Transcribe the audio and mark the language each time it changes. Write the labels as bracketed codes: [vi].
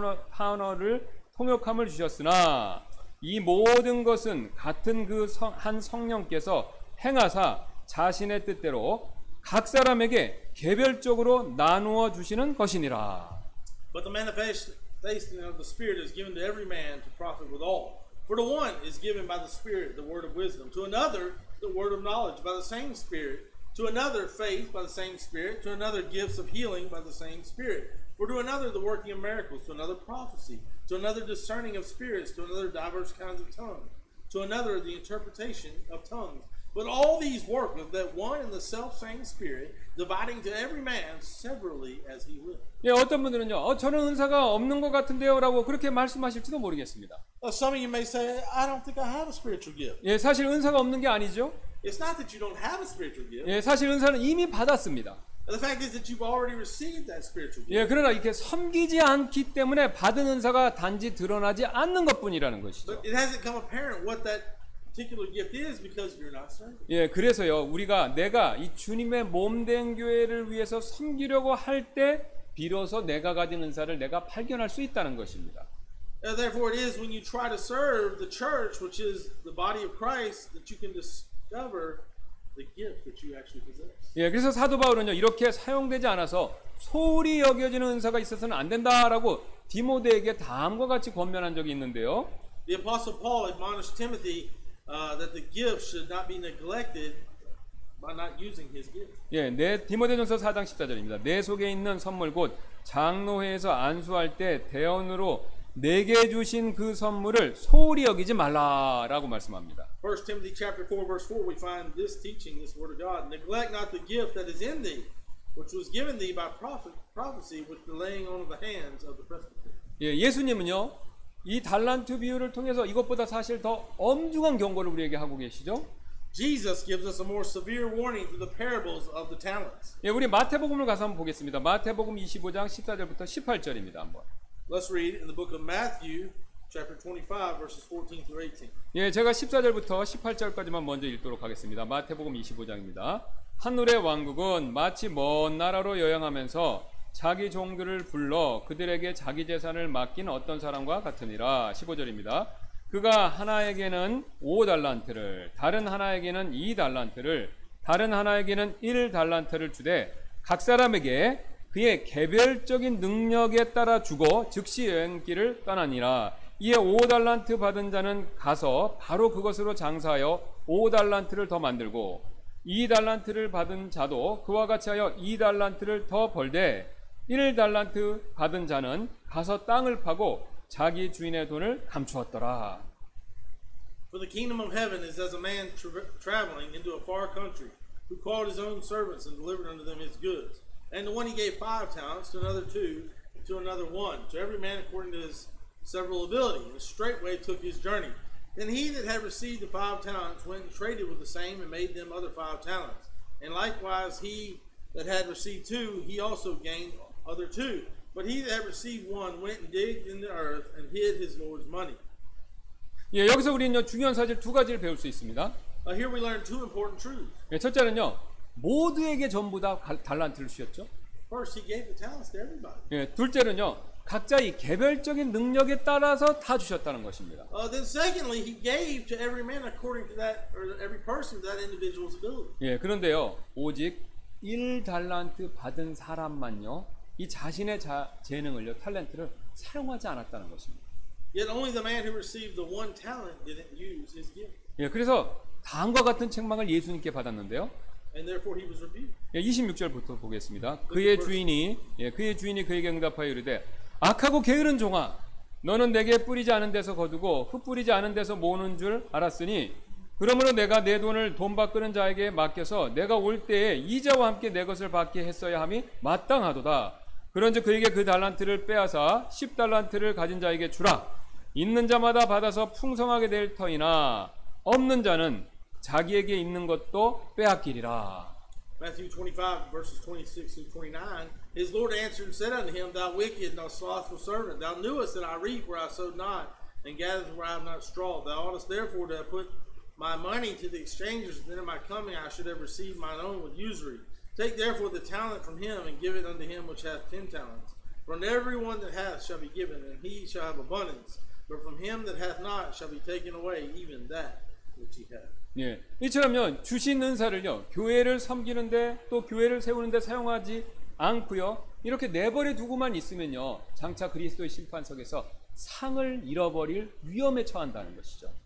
[ko] 탄어를 통역함을 주셨으나 이 모든 것은 같은 그 한 성령께서 행하사 자신의 뜻대로 각 사람에게 개별적으로 나누어 주시는 것이니라. [en] But the manifestation of the Spirit is given to every man to profit with all. For to one is given by the Spirit the word of wisdom, to another the word of knowledge by the same Spirit, to another faith by the same Spirit, to another gifts of healing by the same Spirit, for to another the working of miracles, to another prophecy, to another discerning of spirits, to another diverse kinds of tongues, to another the interpretation of tongues. But all these work of that one and the self-same Spirit, dividing to every man severally as he will. [ko] 예, 어떤 분들은요, 저는 은사가 없는 것 같은데요라고 그렇게 말씀하실지도 모르겠습니다. [en] Some of you may say, I don't think I have a spiritual gift. [ko] 예, 사실 은사가 없는 게 아니죠. [en] It's not that you don't have a spiritual gift. [ko] 예, 사실 은사는 이미 받았습니다. [en] The fact is that you've already received that spiritual gift. [ko] 예, 그러나 이렇게 섬기지 않기 때문에 받은 은사가 단지 드러나지 않는 것뿐이라는 것이죠. [en] But it hasn't come apparent what that particular gift is because you're not serving. [ko] 예, 그래서요 우리가 내가 이 주님의 몸된 교회를 위해서 섬기려고 할 때 비로소 내가 가진 은사를 내가 발견할 수 있다는 것입니다. [en] And therefore, it is when you try to serve the church, which is the body of Christ, that you can discover the gift that you actually possess. [ko] 예, 그래서 사도 바울은요 이렇게 사용되지 않아서 소홀히 여겨지는 은사가 있어서는 안 된다라고 디모데에게 다음과 같이 권면한 적이 있는데요. [en] The apostle Paul admonished Timothy. That the gift should not be neglected by not using his gift. [ko] 예, 내 디모데전서 4장 14절입니다. 내 속에 있는 선물 곧 장로회에서 안수할 때 대언으로 내게 주신 그 선물을 소홀히 여기지 말라라고 말씀합니다. [en] 1 Timothy chapter 4 verse 4 we find this teaching, this word of God. Neglect not the gift that is in thee, which was given thee by prophecy with the laying on of the hands of the presbyter. [ko] 예, 예수님은요. 이 달란트 비유를 통해서 이것보다 사실 더 엄중한 경고를 우리에게 하고 계시죠. [en] Jesus gives us a more severe warning through the parables of the talents. [ko] 예, 우리 마태복음을 가서 한번 보겠습니다. 마태복음 25장 14절부터 18절입니다. 한번. [en] Let's read in the book of Matthew chapter 25 verses 14 through 18. [ko] 예, 제가 14절부터 18절까지만 먼저 읽도록 하겠습니다. 마태복음 25장입니다. 하늘의 왕국은 마치 먼 나라로 여행하면서 자기 종들을 불러 그들에게 자기 재산을 맡긴 어떤 사람과 같으니라. 15절입니다. 그가 하나에게는 5달란트를, 다른 하나에게는 2달란트를, 다른 하나에게는 1달란트를 주되 각 사람에게 그의 개별적인 능력에 따라 주고 즉시 여행길을 떠나니라. 이에 5달란트 받은 자는 가서 바로 그것으로 장사하여 5달란트를 더 만들고 2 달란트를 받은 자도 그와 같이 하여 2 달란트를 더 벌되 1 달란트 받은 자는 가서 땅을 파고 자기 주인의 돈을 감추었더라. [en] For the kingdom of heaven is as a man traveling into a far country, who called his own servants and delivered unto them his goods. And to one he gave 5 talents, to another 2, to another 1, to every man according to his several ability, and straightway took his journey. Then he that had received the 5 talents went and traded with the same and made them other 5 talents. And likewise he that had received 2, he also gained other 2. But he that had received 1 went and digged in the earth and hid his Lord's money. [ko] 예, 여기서 우리는요, 중요한 사실 두 가지를 배울 수 있습니다. [en] Here we learn two important truths. [ko] 예, 첫째는요, 모두에게 전부 다 달란트를 주셨죠. [en] First, he gave the talents to everybody. [ko] 예, 둘째는요, 각자 이 개별적인 능력에 따라서 다 주셨다는 것입니다. [en] Then secondly, he gave to every man according to that, or every person to that individual's ability. [ko] 예, 그런데요, 오직 1달란트 받은 사람만요, 이 자신의 재능을요, 탤런트를 사용하지 않았다는 것입니다. [en] Yet only the man who received the one talent didn't use his gift. [ko] 예, 그래서 다음과 같은 책망을 예수님께 받았는데요. [en] And therefore he was rebuked. [ko] 예, 26절부터 보겠습니다. 그의 주인이 예, 그의 주인이 그에게 응답하여 이르되 악하고 게으른 종아, 너는 내게 뿌리지 않은 데서 거두고 흩뿌리지 않은 데서 모으는 줄 알았으니, 그러므로 내가 내 돈을 돈 밖으는 자에게 맡겨서 내가 올 때에 이자와 함께 내 것을 받게 했어야 함이 마땅하도다. 그런즉 그에게 그 달란트를 빼앗아 10달란트를 가진 자에게 주라. 있는 자마다 받아서 풍성하게 될 터이나 없는 자는 자기에게 있는 것도 빼앗기리라. [en] Matthew 25 verses 26-29. His Lord answered and said unto him, Thou wicked and thou slothful servant, thou knewest that I reap where I sowed not, and gathered where I have not straw. Thou oughtest therefore to have put my money to the exchangers, and then at my coming I should have received mine own with usury. Take therefore the talent from him, and give it unto him which hath 10 talents. For unto every one that hath shall be given, and he shall have abundance. But from him that hath not shall be taken away even that which he hath. [ko] 예, 이처럼요, 주신 은사를요, 교회를 섬기는데 또 교회를 세우는데 사용하지 않고요, 이렇게 내버려 두고만 있으면요, 장차 그리스도의 심판석에서 상을 잃어버릴 위험에 처한다는 것이죠.